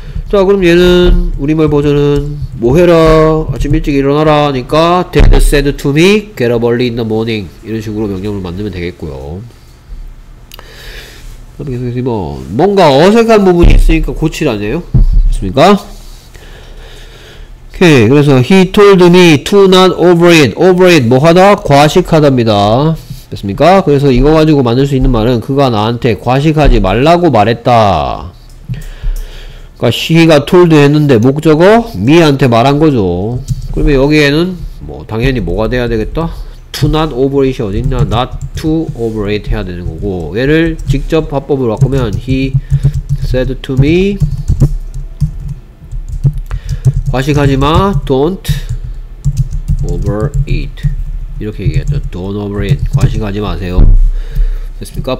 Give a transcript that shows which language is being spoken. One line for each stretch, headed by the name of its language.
Korean: 자 그럼 얘는 우리말 버전은 뭐 해라? 아침 일찍 일어나라 하니까 데드
English: said to me get up early in the morning
Korean: 이런 식으로 명령을 만들면 되겠고요. 계속해서 2번 뭔가 어색한 부분이 있으니까 고치라네요. 됐습니까? 오케이.
English: 그래서 he told me to not over it.
Korean: over it 뭐하다? 과식하답니다. 됐습니까? 그래서 이거 가지고 만들 수 있는 말은 그가 나한테 과식하지 말라고 말했다. 그러니까 he가 told 했는데 목적어 me한테 말한 거죠. 그러면 여기에는 뭐 당연히 뭐가 돼야 되겠다? to not over it이 어딨냐? not to over it 해야 되는 거고 얘를 직접 합법으로 바꾸면
English: he said to me
Korean: 과식하지마
English: don't over it
Korean: 이렇게 얘기했죠. don't over it 과식하지 마세요. 됐습니까?